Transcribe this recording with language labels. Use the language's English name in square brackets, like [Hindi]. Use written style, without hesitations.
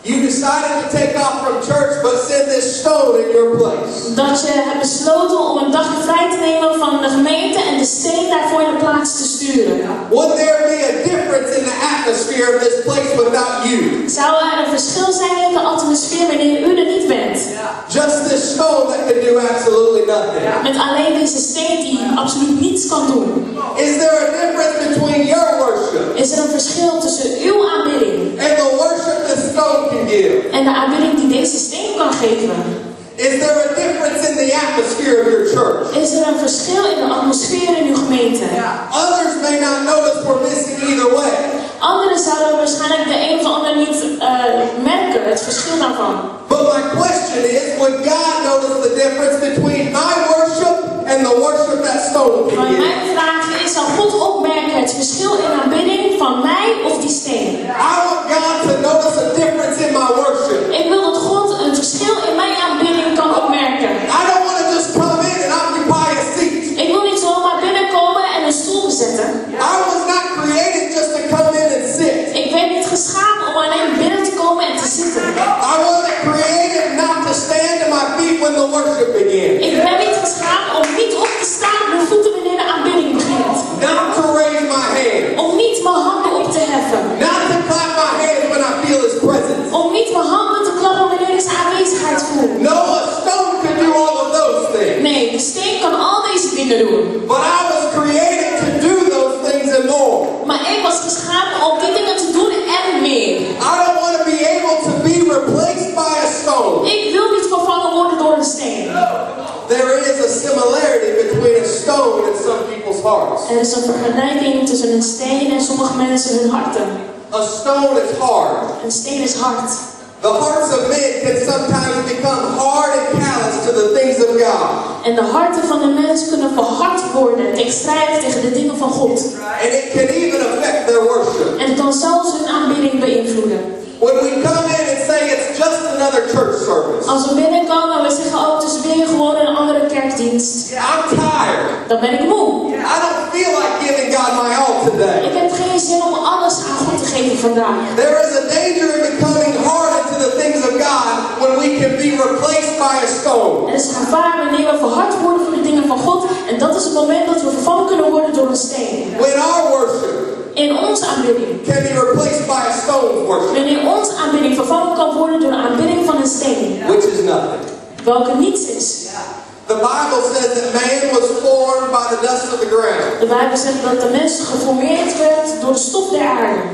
[English] decided to take off from church but send this stone in your place. [Dutch] Dat je hebt besloten om een dag vrij te nemen van de gemeente en de steen daarvoor in de plaats te sturen. [English] Would there be a difference in the atmosphere of this place without you? [Dutch] Zou er een verschil zijn in de atmosfeer wanneer u er niet bent? [English] Just this stone that can do absolutely nothing. [Dutch] Met alleen deze steen die absoluut niets kan doen. [English] Is there a difference between your worship? [Dutch] Is er een verschil tussen uw aanbidding? [English] And the worship this stone can give? [Dutch] En de aanbidding die deze steen kan geven? [English] Is there a difference in the atmosphere of your church? [Dutch] Is er een verschil in de atmosfeer in uw gemeente? [English] Others may not notice we're missing either way. [Dutch] Anderen zouden waarschijnlijk de een of ander niet merken, het verschil daarvan. [English] But my question is, would God notice the difference between my worship and the worship that stone can give? [Dutch] Mijn vraag is, zal God opmerken het verschil in aanbidding van mij of die steen? [English] I want God to notice a difference in my worship. [Dutch] Ik wil dat God een verschil in mijn aanbidding kan opmerken. [English] I don't want to just come in and occupy a seat. [Dutch] Ik wil niet zomaar binnenkomen en een stoel bezetten. [English] I was not created just to come in and sit. [Dutch] Ik ben niet geschapen om alleen binnen te komen en te zitten. [English] I wasn't created not to stand to my feet when the worship begins. [Dutch] Ik ben niet geschapen om niet op te staan mijn voeten wanneer de aanbidding begint. [English] Not to raise my hand. [Dutch] Om niet mijn handen op te heffen. [English] Not to clap my hands when I feel his presence. [Dutch] Om niet mijn handen te klappen wanneer ik zijn aanwezigheid voel. [English] No, a stone can do all of those things. [Dutch] Nee, de steen kan al deze dingen doen. [English] But I was created to do those things and more. [Dutch] Maar ik was geschapen om die dingen te doen en meer. [English] I don't want to be able to be replaced by a stone. [Dutch] Ik wil niet vervangen worden door een steen. [English] There is a similarity between a stone and some people's hearts. [Dutch] Er is een vergelijking tussen een steen en sommige mensen hun harten. [English] A stone is hard. [Dutch] Een steen is hard. [English] The hearts of men can sometimes become hard and callous to the things of God. [Dutch] En de harten van de mens kunnen verhard worden en strijden tegen de dingen van God. [English] And it can even affect their worship. [Dutch] En het kan zelfs hun aanbidding beïnvloeden. [English] When we come in and say it's just another church service. [Dutch] Als we binnenkomen en we zeggen oh, het is weer gewoon een andere kerkdienst. [English] Yeah, I'm tired. [Dutch] Dan ben ik moe. [English] Yeah. I don't feel like giving God my all today. [Dutch] Ik heb geen zin om alles aan God te geven vandaag. [English] There is a danger in becoming harder to the things of God when we can be replaced by a stone. [Dutch] Er is gevaar wanneer we verhard worden voor de dingen van God en dat is het moment dat we vervangen kunnen worden door een steen. [English] When our worship. [Dutch] In ons aanbidding. [English] Can be replaced by a stone worship. [Dutch] Wanneer ons aanbidding vervangen kan worden door een aanbidding van een steen. [English] Yeah. Which is nothing. [Dutch] Welke niets is. [English] The Bible says that man was formed by the dust of the ground. [Dutch] De Bijbel zegt dat de mens geformeerd werd door de stof der aarde.